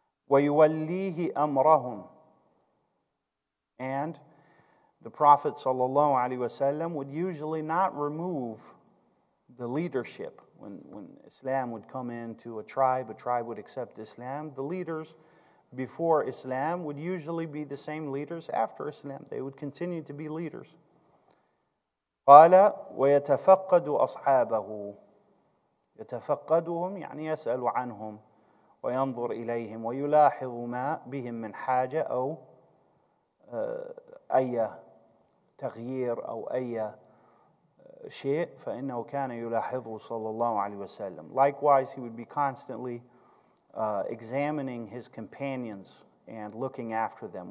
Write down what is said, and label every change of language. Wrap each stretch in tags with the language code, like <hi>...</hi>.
<ar>وَيُوَلِّيهِ أَمْرَهُمْ,</ar> <en>and the Prophet sallallahu alaihi wasallam would usually not remove the leadership. When Islam would come into a tribe would accept Islam. The leaders before Islam would usually be the same leaders after Islam. They would continue to be leaders.</en> <ar>قَالَ وَيَتَفَقَّدُ أَصْحَابَهُ يَتَفَقَّدُهُمْ يعني يسأل عنهم وينظر إليهم ويلاحظ ما بهم من حاجة أو أي تغيير أو أي شيء فإنه كان يلاحظه صلى الله عليه وسلم.</ar> <en>Likewise, he would be constantly examining his companions and looking after them.</en>